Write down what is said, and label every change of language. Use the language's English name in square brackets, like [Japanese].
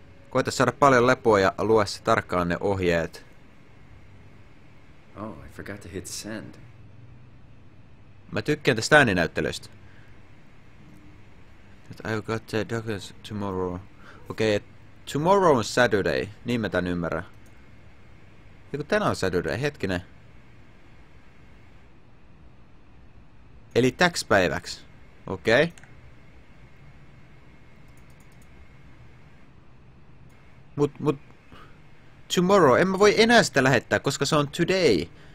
[Finnish] Koita saada paljon lepoa ja lue se tarkkaan ne ohjeet. [English] Oh, I forgot to hit send. [Finnish] Mä tykkään tästä ääninäyttelystä. [English] But I've got the doctors tomorrow. [Finnish] Okei, okay, tomorrow on Saturday. Niin mä tän ymmärrän. Joku tänään on Saturday, hetkinen. Eli täks päiväks. Okei. Okay. Mut tomorrow, en mä voi enää sitä lähettää, koska se on today.